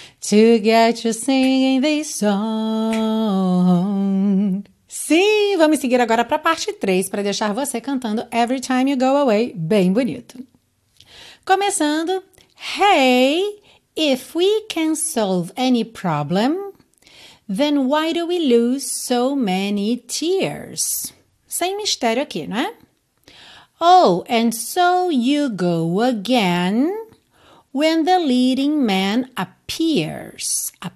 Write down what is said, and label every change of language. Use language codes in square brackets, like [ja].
[en] To get you singing this song. [pt] Sim, vamos seguir agora para a parte 3 para deixar você cantando Every Time You Go Away bem bonito. Começando, Hey! [en] If we can solve any problem, then why do we lose so many tears? [pt] Sem mistério aqui, né? [en] Oh, and so you go again when the leading man appears.